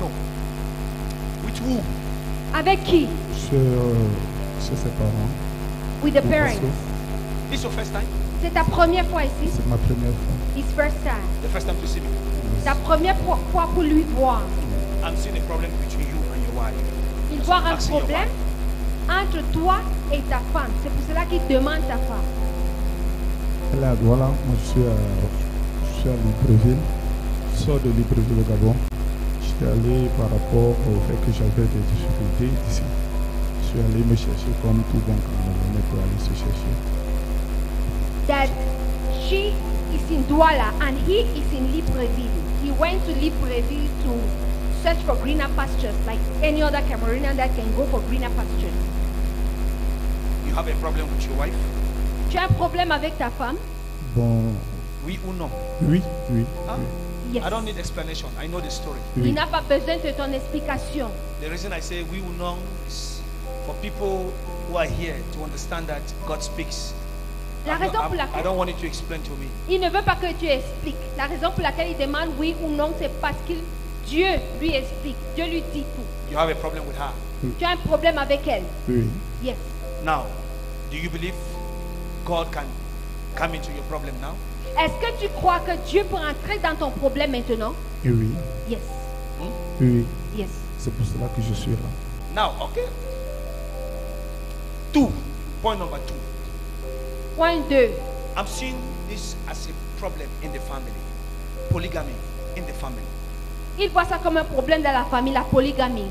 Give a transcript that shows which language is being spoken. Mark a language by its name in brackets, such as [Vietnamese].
[English] No. With who? [French] Avec qui? Chez ses parents. [English] With the parents. This is your first time? [French] C'est ta première fois ici? C'est ma première fois. [English] His first time. The first time to see me. Yes. [French] Ta première fois pour lui voir. [English] I'm seeing a problem between you and your wife. [French] Il voit un problème entre toi et ta femme. C'est pour cela qu'il demande ta femme. Elle est à Douala, moi je suis à Libreville, je sors de Libreville au Gabon. J'étais allé par rapport au fait que j'avais des difficultés ici. Je suis allé me chercher comme tout bon Camerounais pour aller se chercher. [English] That she is in Douala and he is in Libreville. He went to Libreville to search for greener pastures, like any other Cameroonian that can go for greener pastures. You have a problem with your wife? [French] Tu as un problème avec ta femme? Bon. Oui ou non? Oui, oui. Hein? [English] Yes. I don't need explanation. I know the story. [French] Oui. Il n'a pas besoin de ton explication. [English] The reason I say [French] oui ou non [English] is for people who are here to understand that God speaks. [French] La raison pour laquelle [English] I don't want you to explain to me. [French] Il ne veut pas que tu expliques. La raison pour laquelle il demande oui ou non, c'est parce que Dieu lui explique. Dieu lui dit tout. [English] You have a problem with her. [French] Oui. Tu as un problème avec elle? Oui. [English] Yes. Now, do you believe God can come into your problem now? [French] Est-ce que tu crois que Dieu peut entrer dans ton problème maintenant? Oui. [English] Yes. [French] Hmm? Oui. [English] Yes. [French] C'est pour cela que je suis là. [English] Now, okay. Point number two. [French] Point deux. [English] I'm seeing this as a problem in the family. Polygamy in the family. [French] Il voit ça comme un problème dans la famille, la polygamie.